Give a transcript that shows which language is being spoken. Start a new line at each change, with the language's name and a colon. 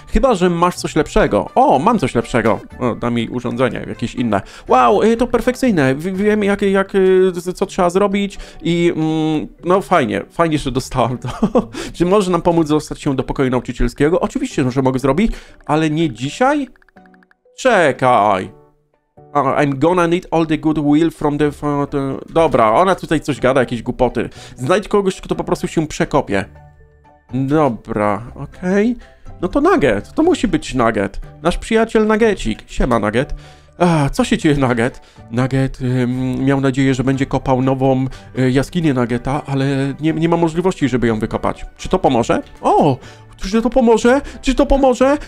Polish: Chyba, że masz coś lepszego. O, mam coś lepszego. O, dam jej urządzenie, jakieś inne. Wow, to perfekcyjne. Wiem, jak co trzeba zrobić i... no fajnie, że dostałam to. Czy może nam pomóc dostać się do pokoju nauczycielskiego? Oczywiście, że mogę zrobić, ale nie dzisiaj? Czekaj.
English: I'm gonna need all the goodwill from the...
Polish: Dobra, ona tutaj coś gada, jakieś głupoty. Znajdź kogoś, kto po prostu się przekopie. Dobra, okej. Okay. No to Nugget, to musi być Nugget. Nasz przyjaciel Nuggetik. Siema, Nugget. Co się dzieje, Nugget? Nugget miał nadzieję, że będzie kopał nową jaskinię Nuggeta, ale nie ma możliwości, żeby ją wykopać. Czy to pomoże? O! Czy to pomoże?